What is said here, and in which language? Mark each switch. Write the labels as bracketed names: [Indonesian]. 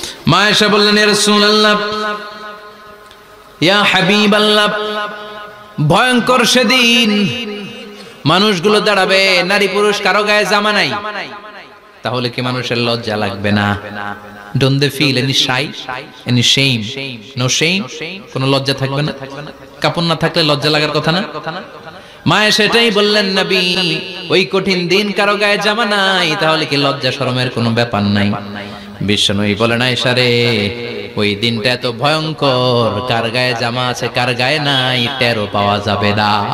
[Bangla] মা এসে বললেন ইয়া রাসূলুল্লাহ, ইয়া হাবিবাল্লাহ, ভয়ঙ্কর সেদিন মানুষগুলো দাঁড়াবে, নারী পুরুষ কারো গায়ে জামা নাই, তাহলে কি মানুষের লজ্জা লাগবে না? [English] Don't they feel any shy, any shame? No shame? [Bangla] কোনো লজ্জা থাকবে না? কাপড় না থাকলে লজ্জা লাগার কথা না? মায়ে সেটাই বললেন নবী, ওই কঠিন দিন কারো গায়ে জামা নাই, তাহলে কি লজ্জা শরমের কোনো ব্যাপার নাই? বিষ্ণুই বলেন আয়েশা রে, ওই দিনটা এত ভয়ঙ্কর, কার গায়ে জামা আছে কার গায়ে নাই টেরও পাওয়া যাবে না।